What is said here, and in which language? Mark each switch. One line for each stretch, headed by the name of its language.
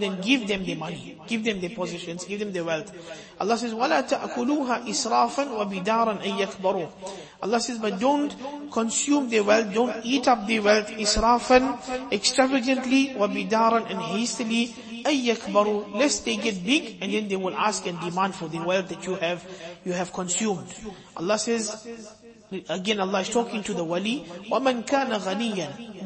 English: Then give them their money, give them their possessions, give them their wealth. Allah says,
Arabic: وَلَا تَأْكُلُوهَا إِسْرَافًا وَبِدَارًا أَنْ يَكْبَرُوا.
English: Allah says, but don't consume their wealth, don't eat up their wealth,
Arabic: إِسْرَافًا,
English: extravagantly,
Arabic: وَبِدَارًا,
English: and hastily,
Arabic: أَيَّكْبَرُوا,
English: lest they get big, and then they will ask and demand for the wealth that you have consumed. Allah says, again Allah is talking to the wali,
Arabic: وَمَنْ كَانَ غَنِيًّا.